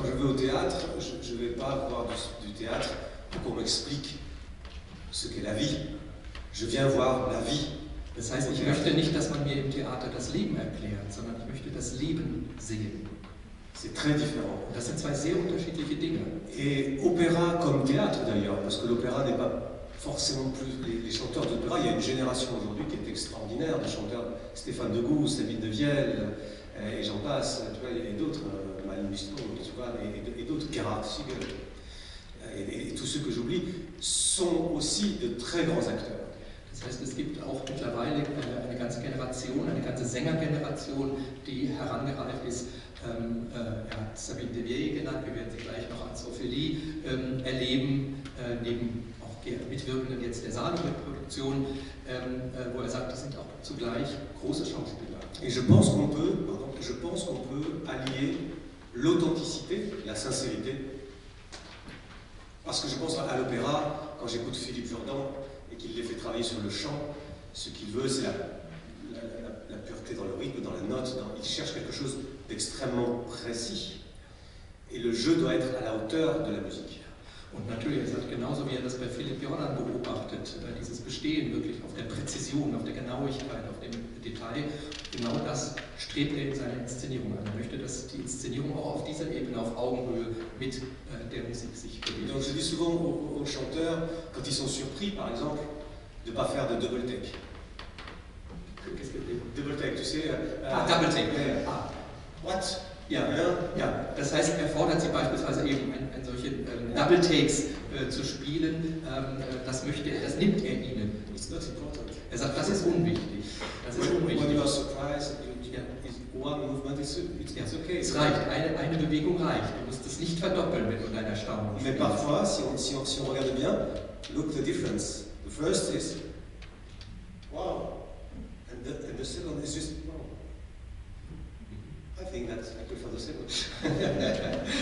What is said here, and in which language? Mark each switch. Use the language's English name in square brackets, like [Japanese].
[French] Quand je vais au théâtre, je vais pas voir du théâtre pour qu'on m'explique ce qu'est la vie. Je viens voir la vie. [German] Das heißt, ich möchte nicht, dass man mir im Theater das Leben erklärt, sondern ich möchte das Leben sehen. [French] C'est très différent. [German] Das sind zwei sehr unterschiedliche Dinge. [French] Et opéra comme théâtre d'ailleurs, parce que l'opéra n'est pas forcément plus les chanteurs d'opéra. Il y a une génération aujourd'hui qui est extraordinaire, des chanteurs Stéphane de Gouze, Sabine de Vielle, et j'en passe, tu vois, et d'autres, Malin Bistot, tu vois, et d'autres, Gerhard Siegel, et tous ceux que j'oublie, sont aussi de très grands acteurs. [German] Das heißt, es gibt auch mittlerweile eine ganze Generation, eine ganze Sängergeneration, die herangereift ist. Er hat Sabine de Vielle genannt, wir werden sie gleich noch als Ophélie erleben, neben auch Mitwirkenden jetzt der Salome-Produktion, wo er sagt, das sind auch zugleich große Schauspieler. [French] Et je pense qu'on peut, pardon, je pense qu'on peut allier l'authenticité, la sincérité, parce que je pense à l'opéra, quand j'écoute Philippe Jourdan, et qu'il les fait travailler sur le chant, ce qu'il veut, c'est la pureté dans le rythme, dans la note, il cherche quelque chose d'extrêmement précis. Et le jeu doit être à la hauteur de la musique. [German] Und natürlich, er sagt genauso, wie er das bei Philipp Jordan beobachtet, dieses Bestehen wirklich auf der Präzision, auf der Genauigkeit, auf dem Detail, genau das strebt er in seiner Inszenierung an. Er möchte, dass die Inszenierung auch auf dieser Ebene, auf Augenhöhe mit der Musik sich bewegt. [French] Donc je dis souvent aux chanteurs, quand ils sont surpris, par exemple, de ne pas faire de double take. Qu'est-ce que c'est? Double take, tu sais. [English] Double take. What? [German] Ja, ja. Das heißt, er fordert sie beispielsweise eben, ein solche Double Takes zu spielen. Das möchte er, das nimmt er ihnen. [English] It's not important. [German] Er sagt, das ist unwichtig. Das ist unwichtig. [English] When you are surprised, one movement is it's yeah. Okay. [German] Es reicht, eine Bewegung reicht. Du musst es nicht verdoppeln, wenn du dein Erstaunen spielst. [French] Mais parfois, si on regarde bien, [English] look the difference. The first is wow, and the second is just wow. I think that I prefer the second.